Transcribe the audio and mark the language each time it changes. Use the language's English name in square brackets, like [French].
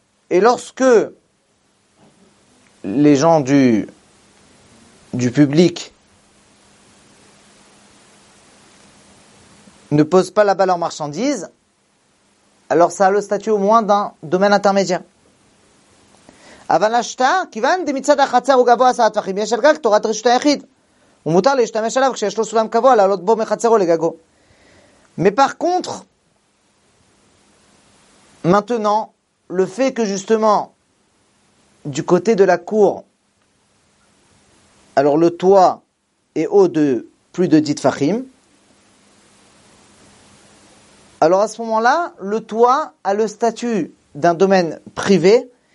[French] Et lorsque les gens du public ne posent pas là-bas leurs marchandises, alors ça a le statut au moins d'un domaine intermédiaire. [Hebrew] אבל השטח, כיוון דמיצד החצר הוא גבוה עשרה טווחים, יש על גג תורת רשות היחיד. הוא מותר להשתמש עליו כשיש לו סולם קבוע לעלות בו מחצרו לגגו. [French] Mais par contre, maintenant, le fait que justement, du côté de la cour, alors le toit est haut de plus de 10 tfachim, alors à ce moment-là, le toit a le statut d'un domaine privé.